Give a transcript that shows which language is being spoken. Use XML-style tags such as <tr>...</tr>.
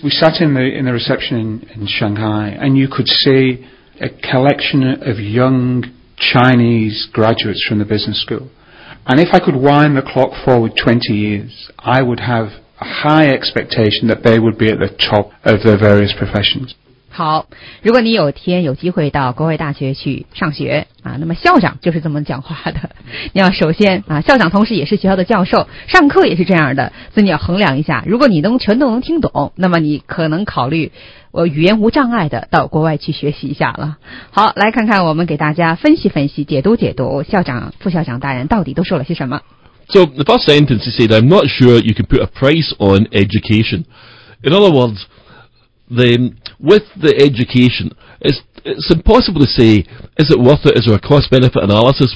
<en>We sat in the reception in Shanghai, and you could see a collection of young Chinese graduates from the business school. And if I could wind the clock forward 20 years, I would have a high expectation that they would be at the top of their various professions.</en> <zh>好，如果你有天有机会到国外大学去上学啊，那么校长就是这么讲话的。你要首先啊，校长同时也是学校的教授，上课也是这样的，所以你要衡量一下。如果你能全都能听懂，那么你可能考虑我语言无障碍的到国外去学习一下了。好，来看看我们给大家分析分析、解读解读，校长、副校长大人到底都说了些什么。</zh> <en>So the first sentence, he said, I'm not sure you can put a price on education. In other words, with the education, it's impossible to say, is it worth it? Is there a cost-benefit analysis?</en>